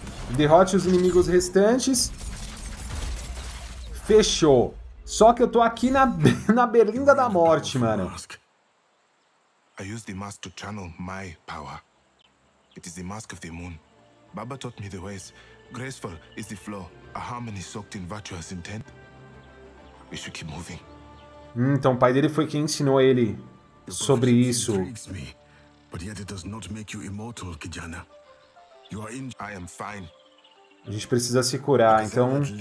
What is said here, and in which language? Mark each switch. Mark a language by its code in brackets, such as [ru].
[pt] Derrote os inimigos restantes. Fechou. Só que eu tô aqui na berlinda da morte, mano. [en] I use the mask to channel my power. It is the mask of the moon. Baba taught me the ways. Graceful is the flow, a harmony soaked in virtuous intent. We should keep moving. [pt] Então o pai dele foi quem ensinou ele sobre isso. [en] Me, but yet it does not make you immortal, Kijana. You are injured. I am fine. [pt] A gente precisa se curar, então.